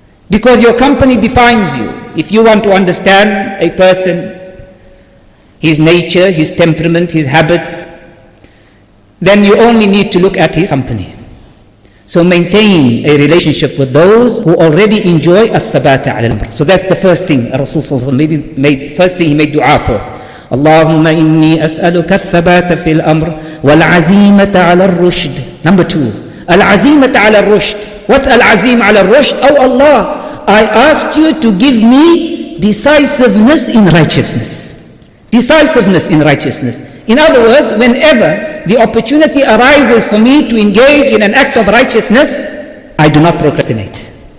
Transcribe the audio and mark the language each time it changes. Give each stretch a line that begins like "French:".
English: Because your company defines you. If you want to understand a person, his nature, his temperament, his habits, then you only need to look at his company. So maintain a relationship with those who already enjoy al-thabata al-amr. So that's the first thing Rasulullah made, first thing he made dua for.
Arabic: اللهم إني أسألك الثبات في الأمر والعزيمة على الرشد.
English: Number two,
Arabic: العزيمة على الرشد. What العزيمة على الرشد?
English: Oh Allah, I ask you to give me decisiveness in righteousness. Decisiveness in righteousness. In other words, whenever the opportunity arises for me to engage in an act of righteousness, I do not procrastinate.